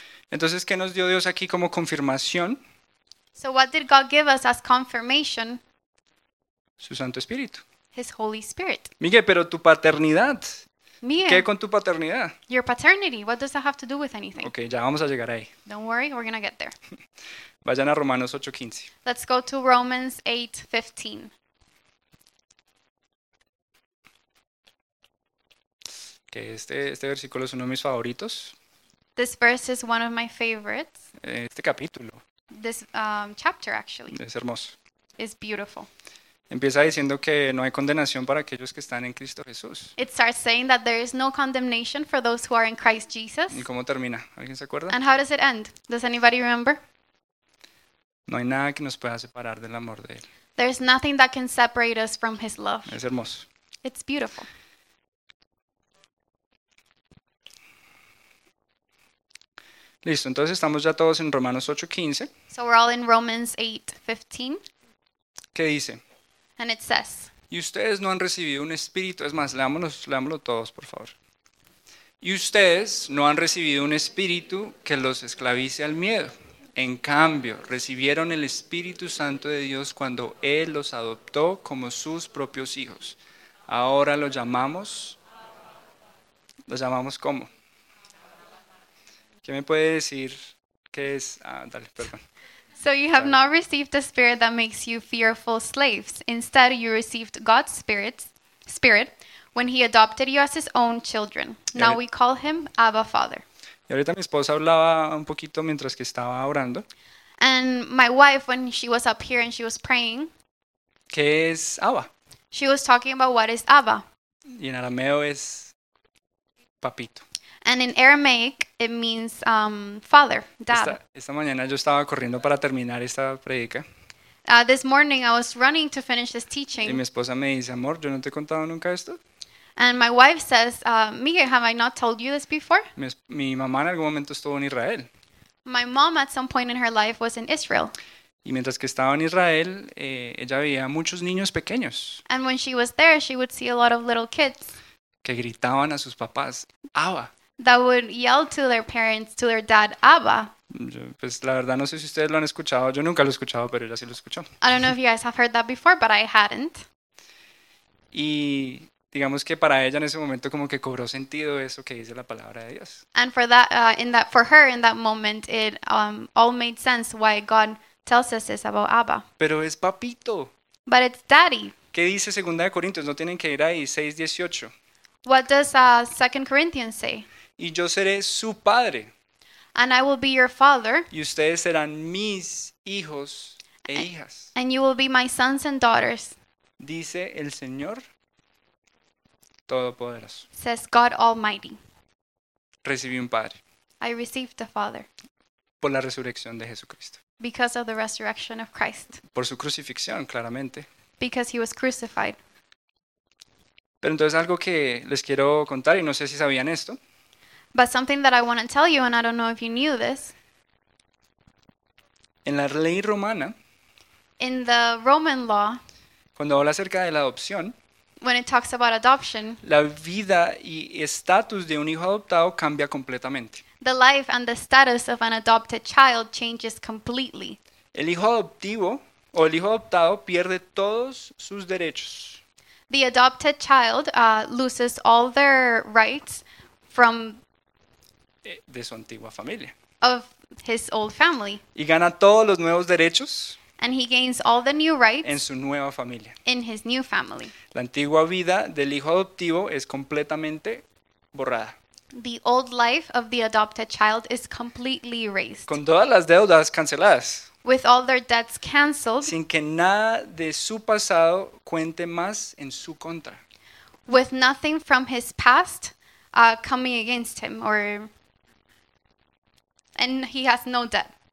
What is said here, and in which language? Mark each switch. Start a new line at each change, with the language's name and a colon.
Spanish: Entonces, ¿qué nos dio Dios aquí como confirmación?
English: So what did God give us as confirmation?
Spanish: Su Santo Espíritu.
English: His Holy Spirit.
Spanish: Miguel, pero tu paternidad. ¿Qué Mia, con tu paternidad?
English: your paternity, what does that have to do with anything?
Spanish: Ok, ya vamos a llegar ahí.
English: Don't worry, we're gonna get there.
Spanish: Vayan a Romanos 8:15.
English: Let's go to Romans 8:15.
Spanish: Que este versículo es uno de mis favoritos.
English: This verse is one of my favorites.
Spanish: Este capítulo
English: This chapter actually
Spanish: es hermoso.
English: is beautiful.
Spanish: Empieza diciendo que no hay condenación para aquellos que están en Cristo Jesús.
English: It starts saying that there is no condemnation for those who are in Christ
Spanish: ¿Y
English: Jesus.
Spanish: cómo termina? ¿Alguien se acuerda?
English: And how does it end? Does anybody remember?
Spanish: No hay nada que nos pueda separar del amor de Él.
English: There's nothing that can separate us from his love.
Spanish: Es hermoso.
English: It's beautiful.
Spanish: Listo, entonces estamos ya todos en Romanos 8:15.
English: So we're all in Romans 8:15.
Spanish: ¿Qué dice?
English: And it says,
Spanish: Y ustedes no han recibido un espíritu, es más, leámoslo todos, por favor. Y ustedes no han recibido un espíritu que los esclavice al miedo. En cambio, recibieron el Espíritu Santo de Dios cuando Él los adoptó como sus propios hijos. Ahora lo llamamos ¿cómo? ¿Qué me puede decir qué es? Ah, dale, perdón.
English: So you have Sorry. not received a spirit that makes you fearful slaves. Instead, you received God's spirit when he adopted you as his own children. Now we call him Abba Father.
Spanish: Y ahorita mi esposa hablaba un poquito mientras que estaba orando.
English: And my wife, when she was up here and she was praying,
Spanish: ¿Qué es Abba?
English: she was talking about what is Abba.
Spanish: Y en arameo es papito.
English: And in Aramaic, it means father, dad.
Spanish: Esta mañana yo estaba corriendo para terminar esta predica.
English: This morning, I was running to finish this
Spanish: Y mi
English: teaching.
Spanish: esposa me dice, amor, ¿yo no te he contado nunca esto?
English: And my wife says, Miguel, have I not told you this before?
Spanish: Mi mamá en algún momento estuvo en Israel.
English: My mom, at some point in her life, was in Israel.
Spanish: Y mientras que estaba en Israel, ella veía muchos niños pequeños
English: And when she was there, she would see a lot of little kids.
Spanish: que gritaban a sus papás, Abba.
English: That would yell to their parents, to their dad, Abba.
Spanish: Pues la verdad no sé si ustedes lo han escuchado, yo nunca lo he escuchado, pero ella sí lo escuchó.
English: I don't know if you guys have heard that before, but I hadn't.
Spanish: Y digamos que para ella en ese momento como que cobró sentido eso que dice la palabra de Dios.
English: And for that, in that, for her, in that moment, it all made sense why God tells us this about Abba.
Spanish: Pero es papito.
English: But it's daddy.
Spanish: ¿Qué dice Segunda de Corintios? No tienen que ir ahí, 6:18.
English: What does 2 Corinthians say?
Spanish: Y yo seré su padre.
English: And I will be your father.
Spanish: Y ustedes serán mis hijos e hijas.
English: And you will be my sons and daughters.
Spanish: Dice el Señor Todopoderoso.
English: Says God Almighty.
Spanish: Recibí un padre
English: I received a father.
Spanish: por la resurrección de Jesucristo.
English: Because of the resurrection of Christ.
Spanish: Por su crucifixión, claramente.
English: Because he was crucified.
Spanish: Pero entonces algo que les quiero contar y no sé si sabían esto.
English: But something that I want to tell you, and I don't know if you knew this.
Spanish: En la ley romana,
English: in the Roman law,
Spanish: cuando habla acerca de la adopción,
English: when it talks about adoption,
Spanish: la vida y estatus de un hijo adoptado cambia completamente.
English: The life and the status of an adopted child changes completely.
Spanish: El hijo adoptivo o el hijo adoptado pierde todos sus derechos.
English: The adopted child loses all their rights from
Spanish: de su antigua familia.
English: Of his old family.
Spanish: Y gana todos los nuevos derechos.
English: And he gains all the new rights
Spanish: en su nueva familia.
English: In his new family.
Spanish: La antigua vida del hijo adoptivo es completamente borrada.
English: The old life of the adopted child is completely erased.
Spanish: Con todas las deudas canceladas.
English: With all their debts canceled.
Spanish: Sin que nada de su pasado cuente más en su contra.
English: With nothing from his past coming against him or and he has no debt.